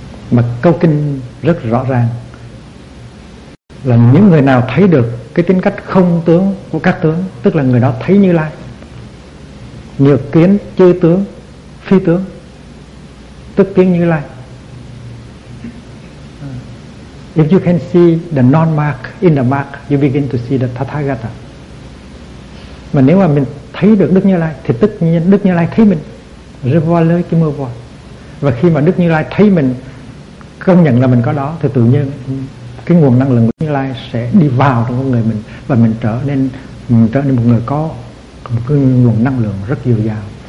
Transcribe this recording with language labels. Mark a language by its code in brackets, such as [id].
[vi] Mà câu kinh rất rõ ràng là những người nào thấy được cái tính cách không tướng của các tướng, tức là người đó thấy Như Lai, nhược kiến chư tướng phi tướng, tức kiến Như Lai. [en] If you can see the non-mark in the mark, you begin to see the Tathagata. [vi] Mà nếu mà mình thấy được Đức Như Lai thì tức Đức Như Lai thấy mình. [fr] Je vois l'œil qui me voit. [vi] Và khi mà Đức Như Lai thấy mình, công nhận là mình có đó, thì tự nhiên cái nguồn năng lượng của Như Lai sẽ đi vào trong con người mình, và mình trở nên một người có một cái nguồn năng lượng rất dồi dào.